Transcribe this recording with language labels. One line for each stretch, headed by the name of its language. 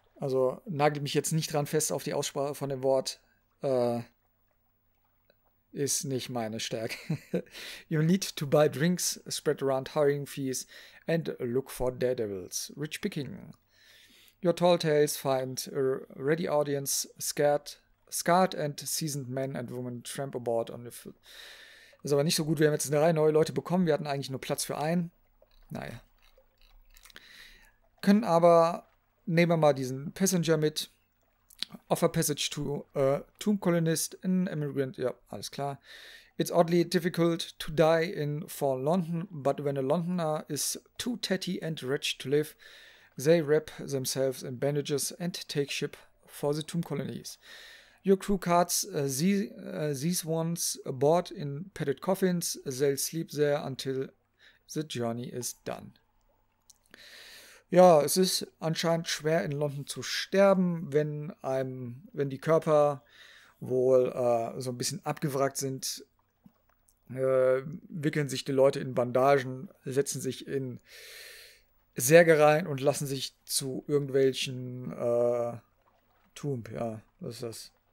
German: Also nagelt mich jetzt nicht dran fest auf die Aussprache von dem Wort. Ist nicht meine Stärke.
English: You need to buy drinks, spread around hiring fees and look for daredevils. Rich picking. Your tall tales find a ready audience, scarred and seasoned men and women tramp aboard on the.
German: Ist aber nicht so gut. Wir haben jetzt eine Reihe neue Leute bekommen. Wir hatten eigentlich nur Platz für einen. Naja. Können aber. Nehmen wir mal diesen Passenger mit.
English: Offer passage to a tomb colonist, an immigrant.
German: Ja, alles klar.
English: It's oddly difficult to die in for London, but when a Londoner is too tatty and wretched to live, they wrap themselves in bandages and take ship for the tomb colonies. Your crew carts these ones aboard in padded coffins. They'll sleep there until the journey is done.
German: Ja, es ist anscheinend schwer in London zu sterben, wenn die Körper wohl so ein bisschen abgewrackt sind. Wickeln sich die Leute in Bandagen, setzen sich in Särge rein und lassen sich zu irgendwelchen Tomb, ja, was ist das?